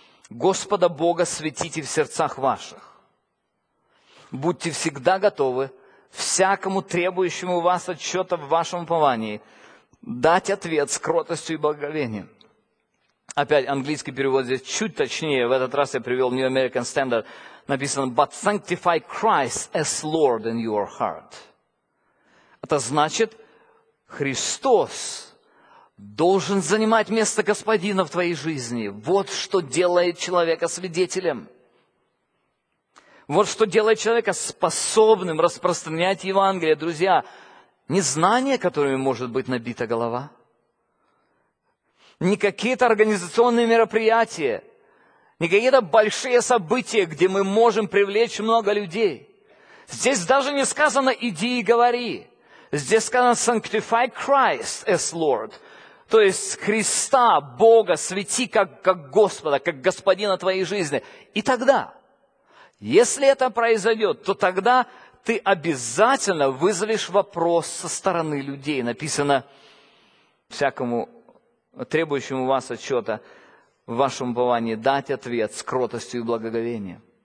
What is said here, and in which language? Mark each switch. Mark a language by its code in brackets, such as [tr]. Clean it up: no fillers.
[ru] Господа Бога светите в сердцах ваших. Будьте всегда готовы всякому требующему у вас отчета в вашем уповании дать ответ с кротостью и благоговением. Опять английский перевод здесь чуть точнее. В этот раз я привел New American Standard. Написано, [en] but sanctify Christ as Lord in your heart. [ru] Это значит, Христос должен занимать место Господина в твоей жизни. Вот что делает человека свидетелем. Вот что делает человека способным распространять Евангелие. Друзья, не знание, которыми может быть набита голова, не какие-то организационные мероприятия, не какие-то большие события, где мы можем привлечь много людей. Здесь даже не сказано «иди и говори». Здесь сказано [en] «sanctify Christ as Lord». [ru] То есть Христа, Бога, святи как Господа, как Господина твоей жизни. И тогда, если это произойдет, то тогда ты обязательно вызовешь вопрос со стороны людей. Написано всякому требующему вас отчета в вашем уповании дать ответ с кротостью и благоговением.